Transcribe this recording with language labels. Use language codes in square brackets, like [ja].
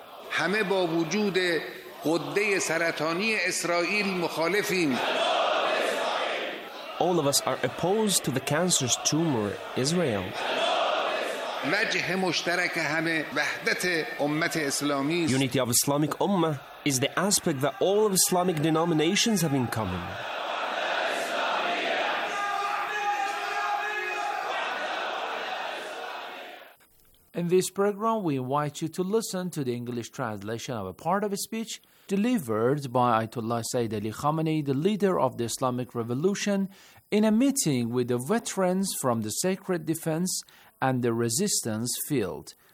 [fa] همه با وجود قده سرطانی اسرائیل مخالفیم [en] All of us are opposed to the cancer's tumor, Israel. [fa] وجه مشترک همه وحدت امت اسلامی [en] Unity of Islamic Ummah is the aspect that all of Islamic denominations have in common. In this program, we invite you to listen to the English translation of a part of a speech delivered by Ayatollah Sayyid Ali Khamenei, the leader of the Islamic Revolution, in a meeting with the veterans from the Sacred Defense and the Resistance Field.